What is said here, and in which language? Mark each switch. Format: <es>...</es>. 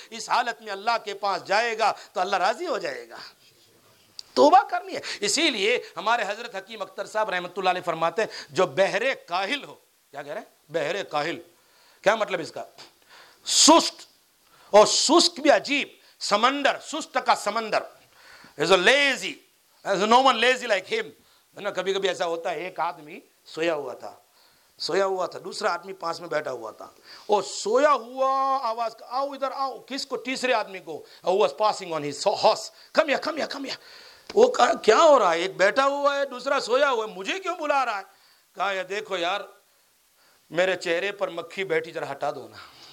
<ur>اس حالت میں اللہ کے پاس جائے گا تو اللہ راضی ہو جائے گا. توبہ کرنی ہے. اسی لیے ہمارے حضرت حکیم اختر صاحب رحمۃ اللہ علیہ فرماتے ہیں, جو بہرے کاہل ہو. کیا کہہ رہے ہیں؟ بہرے کاہل. کیا مطلب اس کا؟ سست. اور سست بھی عجیب, سمندر سست کا سمندر.</ur> <en>Is a lazy, is a no one lazy like ہم.</en> <ur>کبھی کبھی ایسا ہوتا ہے, ایک آدمی سویا ہوا تھا, دوسرا آدمی پاس میں بیٹھا ہوا تھا, اور سویا ہوا آواز کا, آؤ ادھر آؤ, کس کو؟ تیسرے آدمی کو.</ur> <en>He was passing on his horse, come یا.</en> <ur>وہ کہا کیا ہو رہا ہے؟ ایک بیٹھا ہوا ہے, دوسرا سویا ہوا ہے, مجھے کیوں بلا رہا ہے؟ کہا یا دیکھو یار, میرے چہرے پر مکھی بیٹھی, ذرا ہٹا دو نا.</ur>